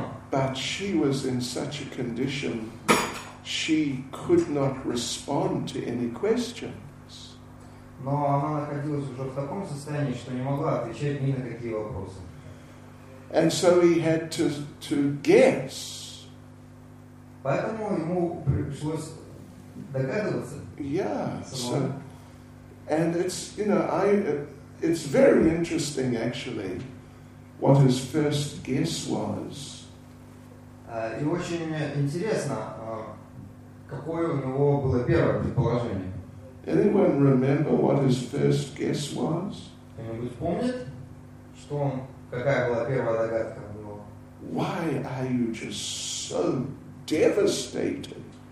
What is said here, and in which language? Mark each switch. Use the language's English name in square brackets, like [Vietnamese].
[English] But she was in such a condition she could not respond to any questions. [Russian] Но она находилась уже в таком состоянии, что не могла отвечать ни на какие вопросы. [English] And so he had to guess. [Russian] Поэтому ему пришлось догадываться. [English] Yeah. So, and it's, you know, it's very interesting actually what his first guess was. [Russian] И очень интересно. Какое у него было первое предположение? [English] Anyone remember what his first guess was? [Russian] Кто-нибудь помнит, что он, какая была первая догадка у него? [English] Why are you just so devastated?